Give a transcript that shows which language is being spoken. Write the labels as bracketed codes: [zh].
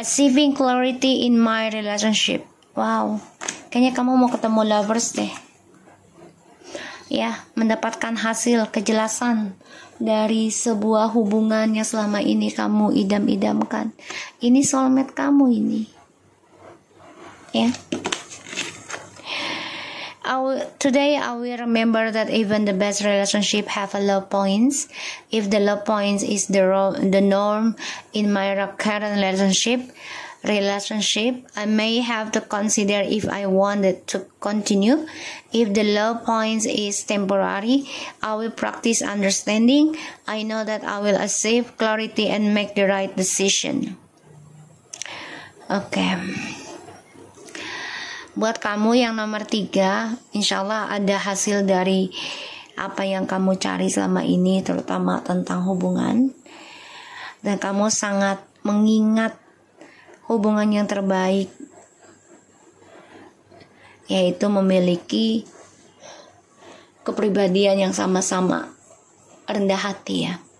[en] Achieving clarity in my relationship. [id] Wow, kayaknya kamu mau ketemu lovers deh ya, mendapatkan hasil kejelasan dari sebuah hubungan yang selama ini kamu idam-idamkan. Ini soulmate kamu ini ya. [en] Today I will remember that even the best relationship have a low points. If the low points is the norm in my current relationship, I may have to consider if I wanted to continue. If the low points is temporary, I will practice understanding. I know that I will achieve clarity and make the right decision. Okay. [id] Buat kamu yang nomor 3, insyaallah ada hasil dari apa yang kamu cari selama ini, terutama tentang hubungan. Dan kamu sangat mengingat hubungan yang terbaik, yaitu memiliki kepribadian yang sama-sama rendah hati ya.